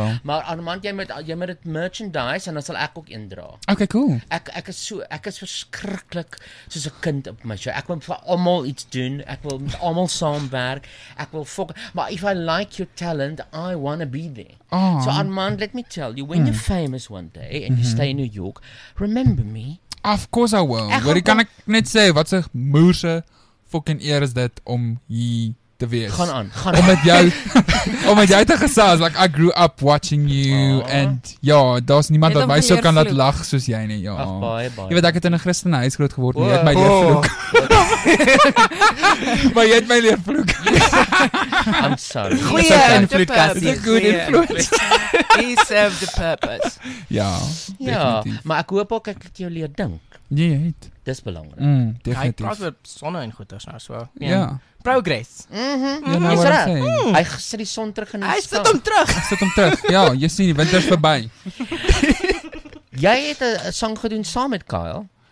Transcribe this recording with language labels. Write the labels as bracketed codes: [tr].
[af] Maar Armand, jy moet dit merchandise en dan sal ek ook een dra. [en] Okay, cool. [af] Ek is verskriklik soos 'n kind op my show. Ek wil vir almal iets doen. Ek wil met almal saamwerk. Ek wil [en] fuck, but if I like your talent, I want to be there. Oh. So Armand, let me tell you, when you're famous one day and you stay in New York, remember me. Of course I will. [af] Wat kan ek net sê? Wat 'n moerse fucking eer is dit om hier te wees. Gaan aan, gaan aan. Om met jou te gesels. [en] Like I grew up watching you [af] and ja, daar's niemand wat my so kan laat lag soos jy nie, ja. Ach, bye. Jy weet ek het in 'n Christelike huis groot geword, jy het my leer vloek. Maar jy het my leer vloek. [en] I'm sorry. [af] Goeie invloed, Cassie. [en] Good influence. He served the purpose. [af] Ja. Ja, maar ek hoop ook ek het jou leer dink. Nee, jy het. Dis belangrik. Mm, definitief. Hy praat oor sonne en goeie dinge so. Ja. [en] Progress. Mhm. [af] Is dit? Hy sit die son terug in die skaal. Hy sit hom terug. Hy sit hom terug. Ja, jy sien die winter is verby. Jy het 'n song gedoen saam met Kyle.